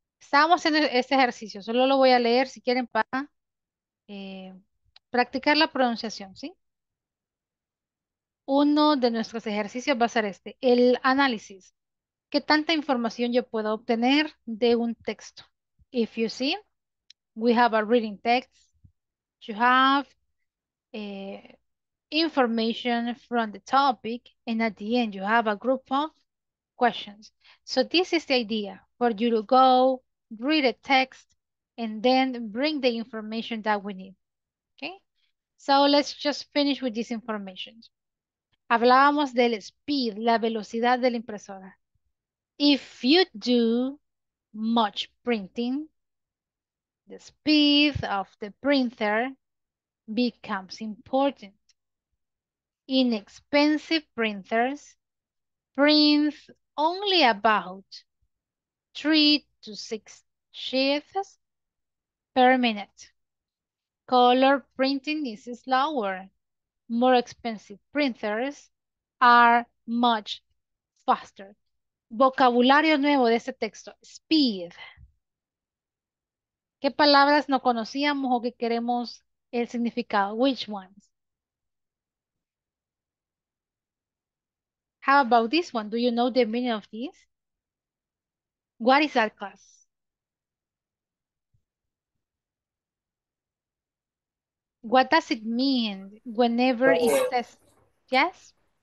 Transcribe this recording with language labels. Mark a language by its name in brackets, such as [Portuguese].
[Spanish] Estábamos haciendo este ejercicio. Solo lo voy a leer si quieren para practicar la pronunciación, ¿sí? Uno de nuestros ejercicios va a ser este, el análisis. ¿Qué tanta información yo puedo obtener de un texto? [English] If you see, we have a reading text. You have information from the topic. And at the end, you have a group of questions. So this is the idea for you to go read a text and then bring the information that we need. Okay? So let's just finish with this information. [Spanish] Hablábamos del speed, la velocidad de la impresora. [English] If you do much printing, the speed of the printer becomes important. Inexpensive printers print only about 3 to 6 sheets per minute. Color printing is slower. More expensive printers are much faster. [Spanish] Vocabulario nuevo de este texto, speed. ¿Qué palabras no conocíamos o que queremos el significado? [English] Which ones? How about this one? Do you know the meaning of this? What is that class? What does it mean whenever it says, yes?